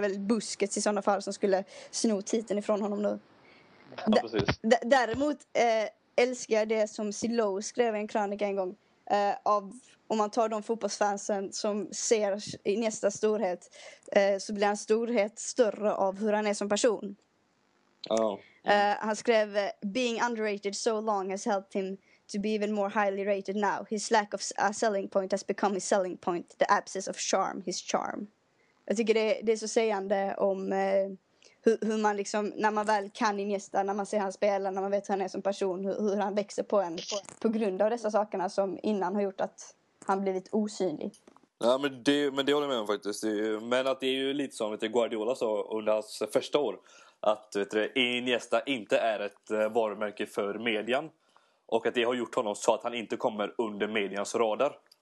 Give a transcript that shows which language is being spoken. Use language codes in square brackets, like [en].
[sv] Det är väl Busquets i sådana fall som skulle sno titeln ifrån honom nu. Ja, däremot älskar jag det som Silo skrev i en krönika en gång av, om man tar de fotbollsfansen som ser i nästa storhet, så blir hans storhet större av hur han är som person. Han skrev [en] being underrated so long has helped him to be even more highly rated now. His lack of a selling point has become his selling point, the absence of charm, his charm. [sv] Jag tycker det är så sägande om hur man liksom, när man väl kan Iniesta, när man ser han spela, när man vet hur han är som person, hur han växer på en på grund av dessa sakerna som innan har gjort att han blivit osynlig. Ja, men det håller jag med om faktiskt. Men att det är ju lite som Guardiola sa under hans första år, att Iniesta inte är ett varumärke för median, och att det har gjort honom så att han inte kommer under medians radar.